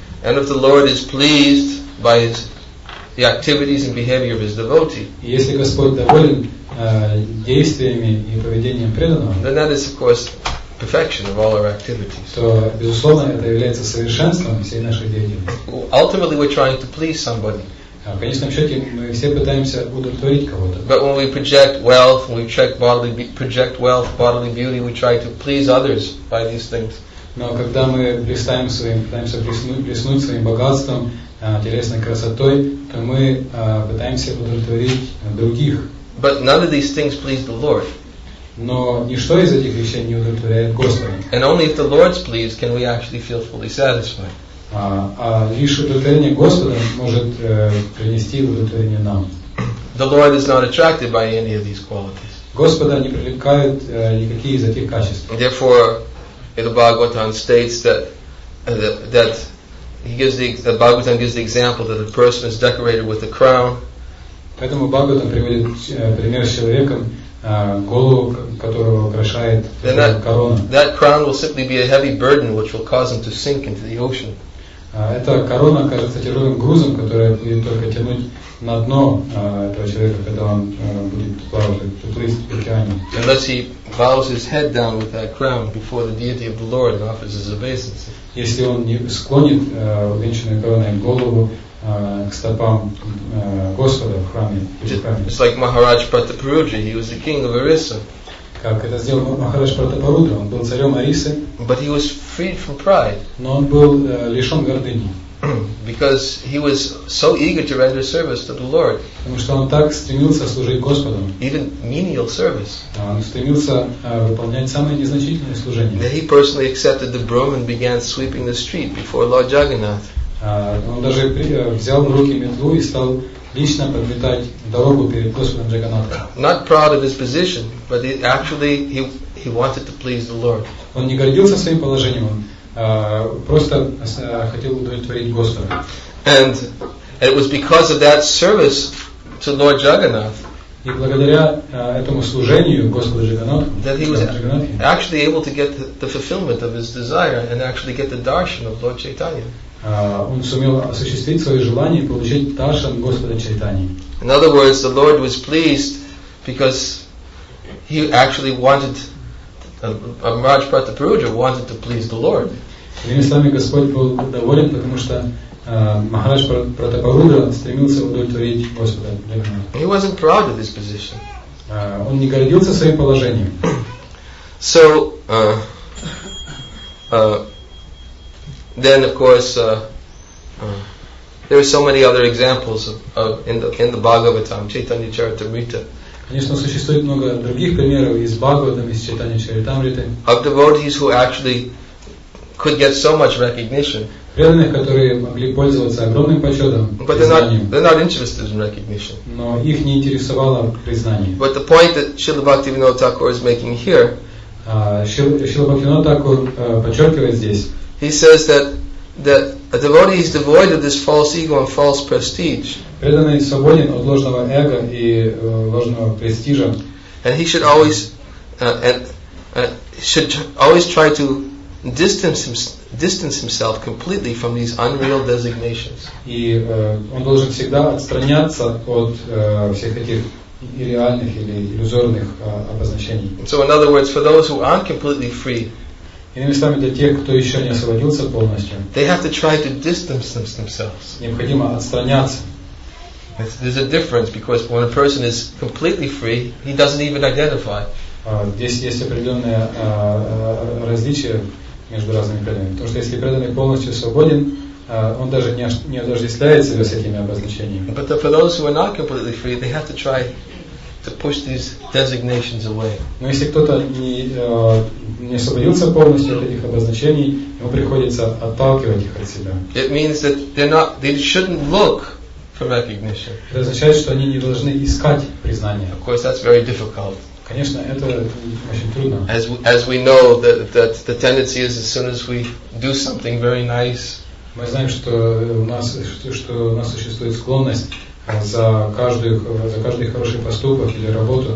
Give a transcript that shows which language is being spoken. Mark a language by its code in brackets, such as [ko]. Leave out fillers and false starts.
[en] And if the Lord is pleased by the activities and behavior of his devotee, [ru] и если Господь доволен действиями и поведением преданного, [en] then that is, of course, perfection of all our activities. [ru] То, безусловно, это является совершенством всей нашей деятельности. [en] Ultimately, we're trying to please somebody. [ru] В конечном счете мы все пытаемся удовлетворить кого-то. [en] But when we project wealth, when we check bodily project wealth, bodily beauty, we try to please others by these things. [ru] Но когда мы блистаем своим, пытаемся блеснуть своим богатством, телесной красотой, то мы пытаемся удовлетворить других. [en] But none of these things please the Lord. [ru] Но ничто из этих вещей не удовлетворяет Господа. [en] And only if the Lord's pleased can we actually feel fully satisfied. [ru] А лишь удовлетворение Господом может принести удовлетворение нам. [en] The Lord is not attracted by any of these qualities. [ru] Господа не привлекают никакие из этих качеств. [en] Therefore, the Bhagavatam states that the Bhagavatam gives the example that a person is decorated with a crown. [ru] Поэтому Бхагаватам приводит пример с человеком, голову которого украшает корона. [en] That crown will simply be a heavy burden which will cause him to sink into the ocean. [ru] Эта корона кажется тяжелым грузом, который будет только тянуть на дно этого человека, когда он будет плыть в океане. [en] Unless he bows his head down with that crown before the deity of the Lord and offers his obeisance. [ru] Если он не склонит увенчанную короной голову к стопам Господа в храме. [en] It's like Maharaj Prataparudra, he was the king of Orissa. [ru] Как это сделал Махарадж Пратапарудра, он был царем Орисы. [en] But he was freed from pride. [ru] Но он был лишен гордыни. [en] Because he was so eager to render service to the Lord. [ru] Потому что он так стремился служить Господу. [en] Even menial service. [ru] Он стремился выполнять самые незначительные служения. [en] That he personally accepted the broom and began sweeping the street before Lord Jagannath. [ru] Он даже взял в руки метлу и стал лично подметать дорогу перед Господом Джаганатхом. [en] Not proud of his position, but actually he wanted to please the Lord. [ru] Он не гордился своим положением, он просто хотел удовлетворить Господа. [en] And it was because of that service to Lord Jagannath. [ru] И благодаря этому служению Господу Джаганатху, [en] that he was actually able to get the fulfillment of his desire and actually get the darshan of Lord Chaitanya. [ru] Он сумел осуществить свои желания и получить даршан Господа Чайтани. [en] In other words, the Lord was pleased because he actually wanted, Maharaj Prataparudra wanted to please the Lord. [ru] Иными словами, Господь был доволен, потому что Махарадж Пратапарудра стремился удовлетворить Господа. [en] He wasn't proud of his position. [ru] Он не гордился своим положением. [en] So, then, of course, there are so many other examples in the Bhagavatam, Chaitanya Charitamrita. [ru] Конечно, существует много других примеров из Бхагаватам, из Чайтанья Чаритамриты. [en] Of devotees who actually could get so much recognition. [ru] Преданных, которые могли пользоваться огромным почетом, признанием. [en] They're not interested in recognition. [ru] Но их не интересовало признание. [en] But the point that Śrīla Bhaktivinoda Thakur is making here. [ru] Śrīla Bhaktivinoda Thakur подчеркивает здесь. [en] He says that a devotee is devoid of this false ego and false prestige. [ru] Преданный свободен от ложного эго и ложного престижа. [en] And he should always try to distance himself completely from these unreal designations. [ru] И он должен всегда отстраняться от всех этих нереальных или иллюзорных обозначений. [en] So in other words, for those who aren't completely free. [ru] Иными словами, для тех, кто еще не освободился полностью, [en] they have to try to distance themselves. [ru] Необходимо отстраняться. [en] There's a difference because when a person is completely free, he doesn't even identify. [ru] Здесь есть определенное различие между разными преданными. То, что если преданный полностью свободен, он даже не отождествляет себя с этими обозначениями. [en] But for those who are not completely free, they have to try to push these designations away. [ru] Но если кто-то не освободился полностью от этих обозначений, ему приходится отталкивать их от себя. [en] It means that they shouldn't look for recognition. [ru] Это означает, что они не должны искать признания. [en] Of course, that's very difficult. [ru] Конечно, это очень трудно. [en] As we know that the tendency is as soon as we do something very nice. [ru] Мы знаем, что у нас существует склонность за каждый хороший поступок или работу.